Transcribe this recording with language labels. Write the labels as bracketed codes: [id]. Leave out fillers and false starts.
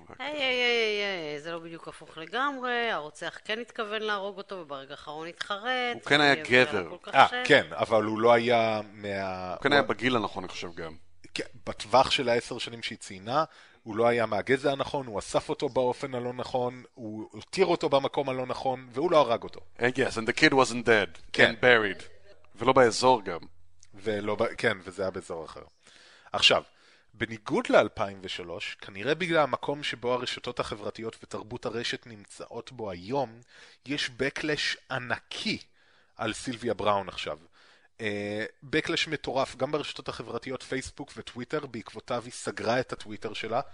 [he] היי, היי, היי, היי, זה לא בדיוק הפוך לגמרי, הרוצח כן התכוון להרוג אותו וברגע האחרון התחרט. הוא כן היה גבר. כן, אבל הוא לא היה מה... הוא כן היה בגיל הנכון, אני חושב גם. בטווח של 10 שנים שהיא ציינה, הוא לא היה מהגזע הנכון, הוא אסף אותו באופן הלא נכון, הוא הותיר אותו במקום הלא נכון, והוא לא הרג אותו. [en] Yes, and the kid wasn't dead, and buried. [he] ולא באזור גם. כן, וזה היה באזור אחר. עכשיו, בניגוד ל-2003, כנראה בגלל המקום שבו הרשתות החברתיות ותרבות הרשת נמצאות בו היום, יש בקלש ענקי על סילביה בראון עכשיו. בקלש מטורף, גם ברשתות החברתיות פייסבוק וטוויטר, בעקבותיו היא סגרה את הטוויטר שלה.